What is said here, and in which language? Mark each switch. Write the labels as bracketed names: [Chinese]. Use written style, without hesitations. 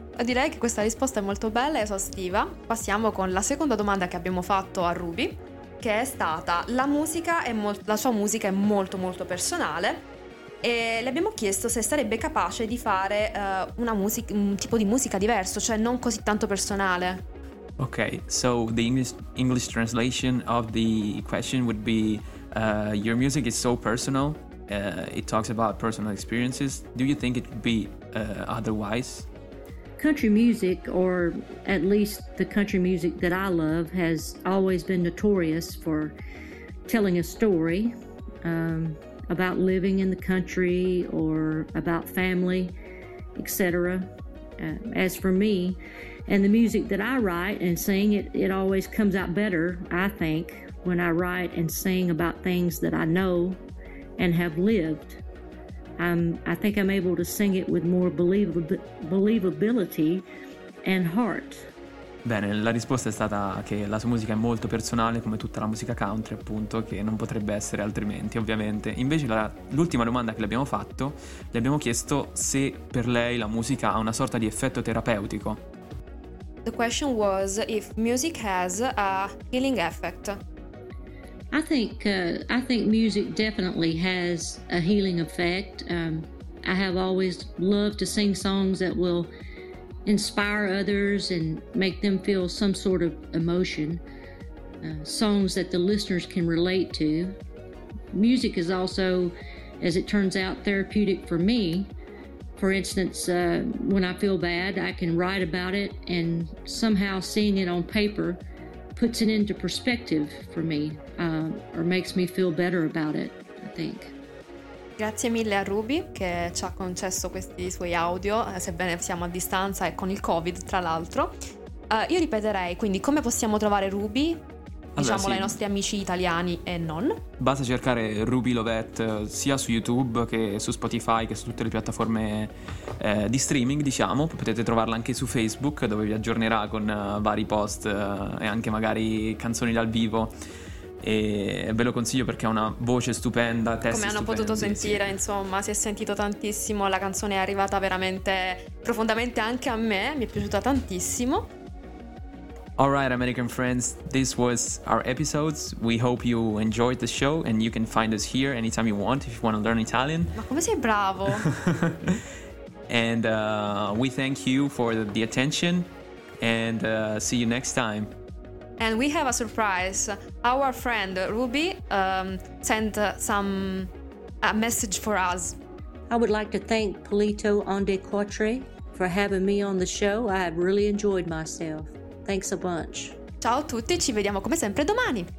[Italian] Direi che questa risposta è molto bella e esaustiva. Passiamo con la seconda domanda che abbiamo fatto a Ruby, che è stata: la musica è la sua musica è molto molto personale, e le abbiamo chiesto se sarebbe capace di fare un tipo di musica diverso, cioè non così tanto personale. [English] Ok, so the English translation of the question would be your music is so personal, it talks about personal experiences. Do you think it would be otherwise? Country music, or at least the country music that I love, has always been notorious for telling a story about living in the country or about family, etc. As for me and the music that I write and sing, it always comes out better, I think, when I write and sing about things that I know and have lived. I think I'm able to sing it with more believability and heart. [Italian] Bene, la risposta è stata che la sua musica è molto personale, come tutta la musica country, appunto, che non potrebbe essere altrimenti, ovviamente. Invece l'ultima domanda che le abbiamo fatto, le abbiamo chiesto se per lei la musica ha una sorta di effetto terapeutico. [English] The question was if music has a healing effect. I think music definitely has a healing effect. I have always loved to sing songs that will inspire others and make them feel some sort of emotion, songs that the listeners can relate to. Music is also, as it turns out, therapeutic for me. For instance, when I feel bad, I can write about it, and somehow seeing it on paper puts it into perspective for me, or makes me feel better about it, I think. [Italian] Grazie mille a Ruby che ci ha concesso questi suoi audio, sebbene siamo a distanza e con il Covid, tra l'altro. Io ripeterei, quindi, come possiamo trovare Ruby? Diciamo, sì, ai nostri amici italiani e non. Basta cercare Ruby Lovett sia su YouTube che su Spotify, che su tutte le piattaforme di streaming, diciamo. Potete trovarla anche su Facebook, dove vi aggiornerà con vari post e anche magari canzoni dal vivo. E ve lo consiglio perché ha una voce stupenda, testi come hanno stupendi, potuto sentire, sì. Insomma, si è sentito tantissimo. La canzone è arrivata veramente profondamente anche a me, mi è piaciuta tantissimo. [English] Alright, American friends, this was our episode. We hope you enjoyed the show, and you can find us here anytime you want if you want to learn Italian. [Italian] Ma come sei bravo! [English] And we thank you for the attention, and see you next time. And we have a surprise. Our friend Ruby sent a message for us. I would like to thank Polito Onde Quattro for having me on the show. I have really enjoyed myself. Thanks a bunch. [Italian] Ciao a tutti, ci vediamo come sempre domani.